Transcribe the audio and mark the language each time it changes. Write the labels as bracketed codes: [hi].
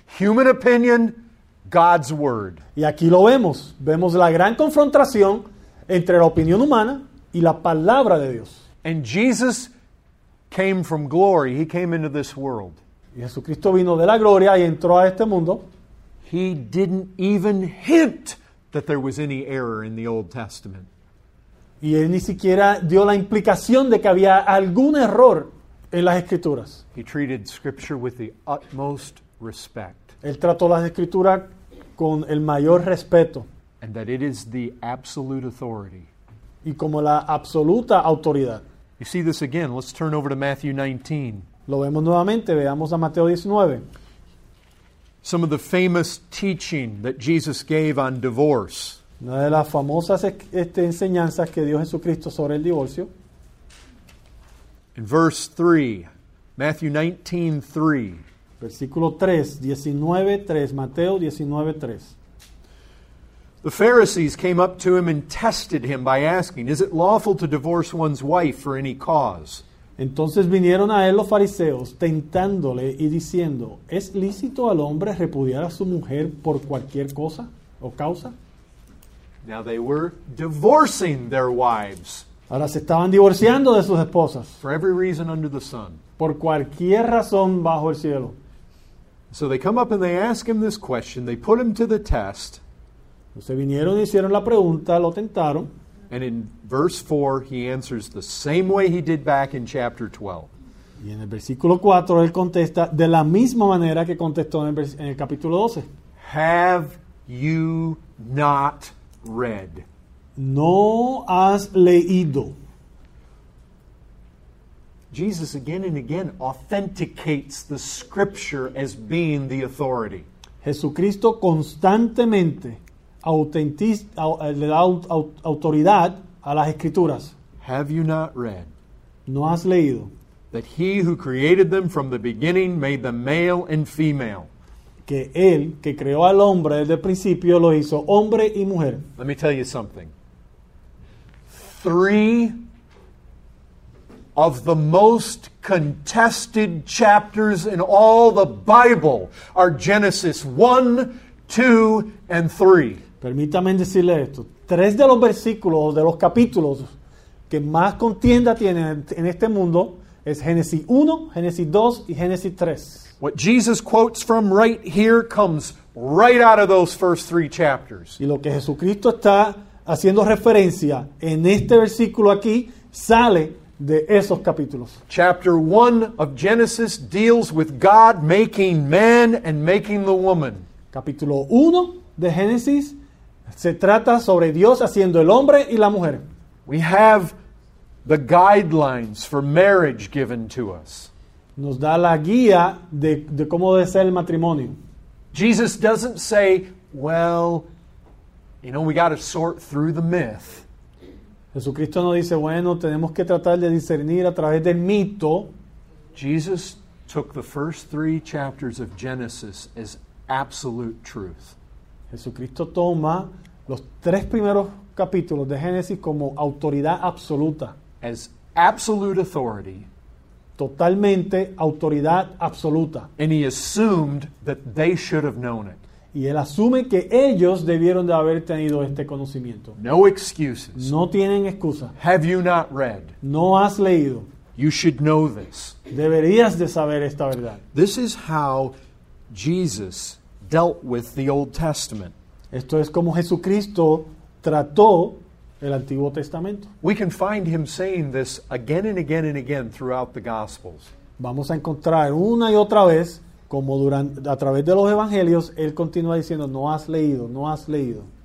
[en] Human opinion, God's word. [es] Y aquí lo vemos. Vemos la gran confrontación entre la opinión humana y la palabra de Dios. [en] And Jesus came from glory. He came into this world. [es] Jesucristo vino de la gloria y entró a este mundo. [en] He didn't even hint that there was any error in the Old Testament. [es] Y él ni siquiera dio la implicación de que había algún error en las Escrituras. [en] He treated Scripture with the utmost respect. [es] Él trató las Escrituras con el mayor respeto. [en] And that it is the absolute authority. [es] Y como la absoluta autoridad. [en] You see this again. Let's turn over to Matthew 19. [es] Lo vemos nuevamente. Veamos a Mateo 19. [en] Some of the famous teaching that Jesus gave on divorce. [es] Una de las famosas enseñanzas que dio Jesucristo sobre el divorcio. [en] In verse 3, Matthew 19:3. [es] Versículo 3, 19:3, Mateo 19:3. [en] The Pharisees came up to him and tested him by asking, "Is it lawful to divorce one's wife for any cause?" [es] Entonces vinieron a él los fariseos, tentándole y diciendo, ¿es lícito al hombre repudiar a su mujer por cualquier cosa o causa? [en] Now they were divorcing their wives. [es] Ahora se estaban divorciando de sus esposas. [en] For every reason under the sun. [es] Por cualquier razón bajo el cielo. [en] So they come up and they ask him this question. They put him to the test. [es] Entonces vinieron y hicieron la pregunta, lo tentaron. [en] And in verse 4, he answers the same way he did back in chapter 12. [es] Y en el versículo 4, él contesta de la misma manera que contestó en el capítulo 12. [en] Have you not read? [es] No has leído. [en] Jesus again and again authenticates the scripture as being the authority. [es] Jesucristo constantemente le da autoridad a las Escrituras. [en] Have you not read? [es] ¿No has leído? [en] That he who created them from the beginning made them male and female. [es] Que él que creó al hombre desde el principio lo hizo hombre y mujer. [en] Let me tell you something. Three of the most contested chapters in all the Bible are Genesis 1, 2, and 3. [es] Permítame decirle esto. Tres de los versículos, de los capítulos que más contienda tienen en este mundo es Génesis 1, Génesis 2 y Génesis 3. [en] What Jesus quotes from right here comes right out of those first three chapters. [es] Y lo que Jesucristo está haciendo referencia en este versículo aquí sale de esos capítulos. [en] Chapter 1 of Genesis deals with God making man and making the woman. [es] Capítulo 1 de Génesis se trata sobre Dios haciendo el hombre y la mujer. [en] We have the guidelines for marriage given to us. [es] Nos da la guía de cómo debe ser el matrimonio. [en] Jesus doesn't say, well, you know, we got to sort through the myth. [es] Jesucristo no dice, bueno, tenemos que tratar de discernir a través del mito. [en] Jesus took the first three chapters of Genesis as absolute truth. [es] Jesucristo toma los tres primeros capítulos de Génesis como autoridad absoluta. [en] As absolute authority. [es] Totalmente autoridad absoluta. [en] And he assumed that they should have known it. [es] Y él asume que ellos debieron de haber tenido este conocimiento. [en] No excuses. [es] No tienen excusa. [en] Have you not read? [es] No has leído. [en] You should know this. [es] Deberías de saber esta verdad. [en] This is how Jesus dealt with the Old Testament. [es] Esto es como Jesucristo trató el Antiguo Testamento. [en] We can find him saying this again and again and again throughout the Gospels. [es] Vamos a encontrar una y otra vez como durante, a través de los evangelios, él continúa diciendo, no has leído, no has leído.